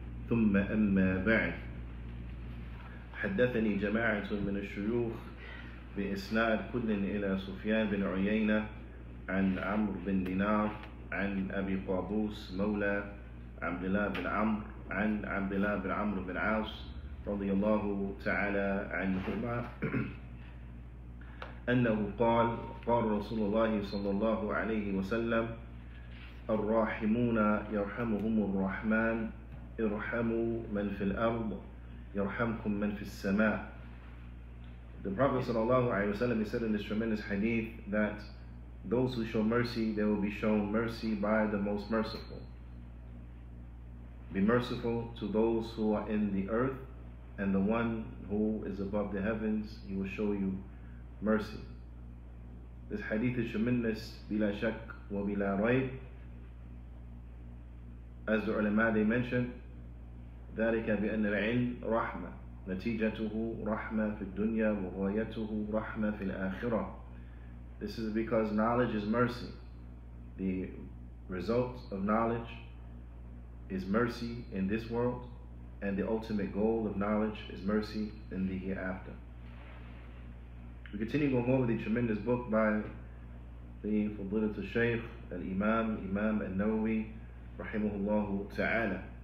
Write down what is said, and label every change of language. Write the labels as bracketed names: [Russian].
[Arabic] ثم أما بعد، حدثني جماعة من الشيوخ بإسناد كل إلى سفيان بن عيينة عن عمرو بن دينار عن أبي قابوس مولى عبد الله بن عمرو عن عبد الله بن عمرو بن عاص رضي الله تعالى عنهما أنه قال: قال رسول الله صلى الله عليه وسلم: الراحمون يرحمهم الرحمن، ارحموا من في الأرض يرحمكم من في السماء. [English] The Prophet صلى الله عليه وسلم said in this tremendous hadith that those who show mercy, they will be shown mercy by the most merciful. Be merciful to those who are in the earth, and the one who is above the heavens, he will show you mercy. This hadith is tremendous, [Arabic] بلا شك وبلا ريب. [English] As the ulama, they mentioned, [Arabic] ذلك بأن العلم رحمة نتيجته رحمة في الدنيا وغايته رحمة في الآخرة. [English] This is because knowledge is mercy. The result of knowledge is mercy in this world, and the ultimate goal of knowledge is mercy in the hereafter. We continue going over the tremendous book by the Fadilatu Shaykh al-Imam, Imam al-Nawawi, rahimahullahu ta'ala.